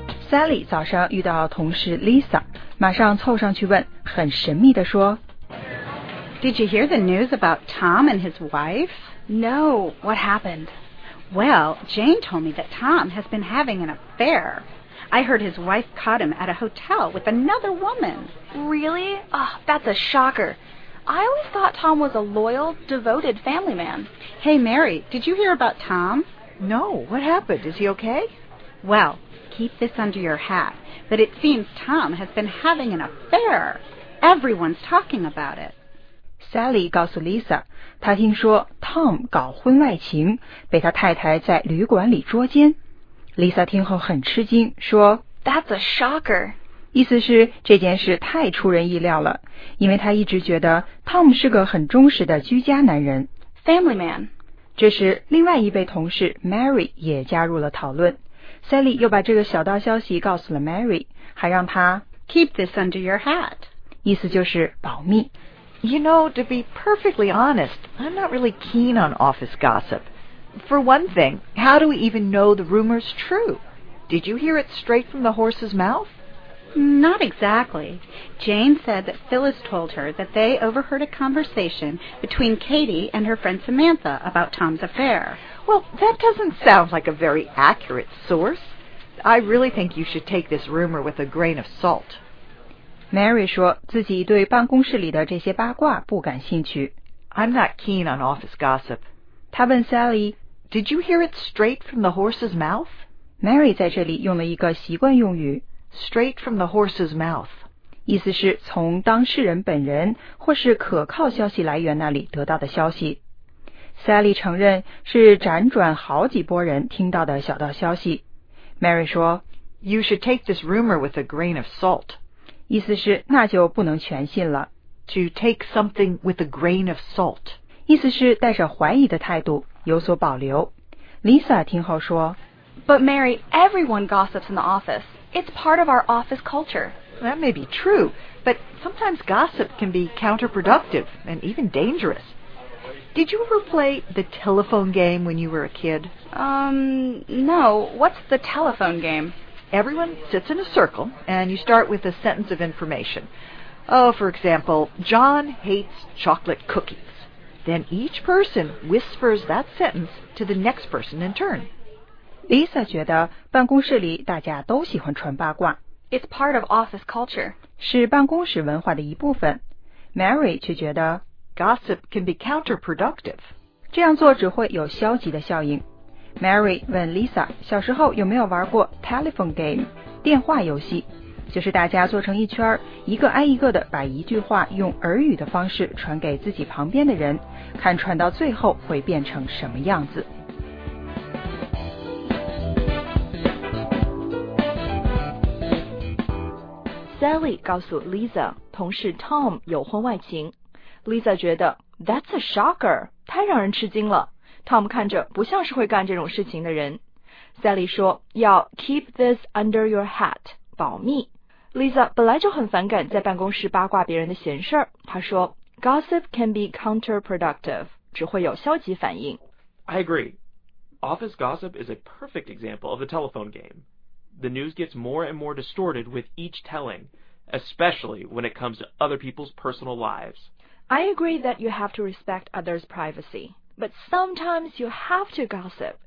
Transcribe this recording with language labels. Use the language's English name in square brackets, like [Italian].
[Chinese] Sally 早上遇到同事 Lisa，马上凑上去问，很神秘地说 [English] Did you hear the news about Tom and his wife? No, what happened? Well, Jane told me that Tom has been having an affair. I heard his wife caught him at a hotel with another woman. Really? Oh, that's a shocker. I always thought Tom was a loyal, devoted family man. Hey, Mary, did you hear about Tom? No, what happened? Is he okay? Well,Keep this under your hat, but it seems Tom has been having an affair. Everyone's talking about it. [Chinese] Sally 告诉 Lisa, 她听说 Tom 搞婚外情，被他太太在旅馆里捉奸。 Lisa 听后很吃惊，说 [English] That's a shocker. [Chinese] 意思是这件事太出人意料了，因为她一直觉得 Tom 是个很忠实的居家男人。 [English] Family man. [Chinese] 这时另外一位同事 Mary 也加入了讨论。 Sally 又把这个小道消息告诉了 Mary， 还让她 [English] keep this under your hat， [Chinese] 意思就是保密。 [English] You know, to be perfectly honest, I'm not really keen on office gossip. For one thing, how do we even know the rumor's true? Did you hear it straight from the horse's mouth? Not exactly. Jane said that Phyllis told her that they overheard a conversation between Katie and her friend Samantha about Tom's affair. Well, that doesn't sound like a very accurate source. I really think you should take this rumor with a grain of salt. [Chinese] Mary 说自己对办公室里的这些八卦不感兴趣。 [English] I'm not keen on office gossip. [Chinese] 她问 Sally, [English] Did you hear it straight from the horse's mouth? [Chinese] Mary 在这里用了一个习惯用语。 [English] Straight from the horse's mouth. [Chinese] 意思是从当事人本人或是可靠消息来源那里得到的消息。 Sally 承认是辗转好几波人听到的小道消息。 Mary 说 [English] You should take this rumor with a grain of salt. [Chinese] 意思是那就不能全信了。 [English] To take something with a grain of salt. [Chinese] 意思是带着怀疑的态度有所保留。 Lisa 听后说 [English] But Mary, everyone gossips in the office. It's part of our office culture. That may be true, but sometimes gossip can be counterproductive and even dangerous. Did you ever play the telephone game when you were a kid? No. What's the telephone game? Everyone sits in a circle, and you start with a sentence of information. Oh, for example, John hates chocolate cookies. Then each person whispers that sentence to the next person in turn. [Chinese] Lisa 觉得办公室里大家都喜欢传八卦。 [English] It's part of office culture. [Chinese] 是办公室文化的一部分。 Mary 却觉得 [English] Gossip can be counterproductive. [Chinese] 这样做只会有消极的效应。Mary 问 Lisa 小时候有没有玩过 [English] telephone game, [Chinese] 电话游戏。就是大家坐成一圈一个挨一个的把一句话用耳语的方式传给自己旁边的人看传到最后会变成什么样子。 Sally 告诉 Lisa, 同事 Tom 有婚外情。 Lisa 觉得 [English] That's a shocker, [Chinese] 太让人吃惊了。 Tom 看着不像是会干这种事情的人。 Sally 说要 [English] keep this under your hat, [Chinese] 保密。 Lisa 本来就很反感在办公室八卦别人的闲事儿。她说 [English] Gossip can be counterproductive, [Chinese] 只会有消极反应。 [English] I agree. Office gossip is a perfect example of the telephone game. The news gets more and more distorted with each telling, especially when it comes to other people's personal lives. I agree that you have to respect others' privacy, but sometimes you have to gossip.